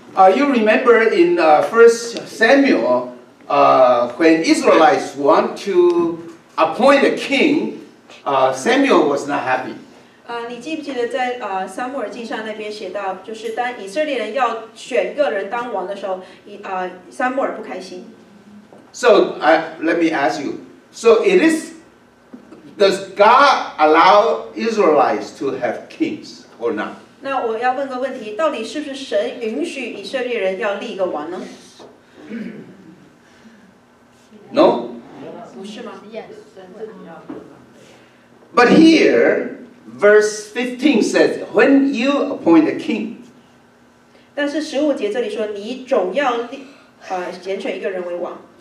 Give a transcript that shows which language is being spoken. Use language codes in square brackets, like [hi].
[en] You remember in 1 Samuel, when Israelites want to appoint a king, Samuel was not happy. [zh] 你记不记得在撒母耳记上那边写到，就是当以色列人要选一个人当王的时候，撒母耳不开心。 [en] So let me ask you. So it is. Does God allow Israelites to have kings or not? [zh] 那我要问个问题，到底是不是神允许以色列人要立一个王呢？ [en] No? [zh] 不是吗？ [en] Yes. But here, verse 15 says, when you appoint a king. [zh] 但是十五节这里说，你总要拣选一个人为王。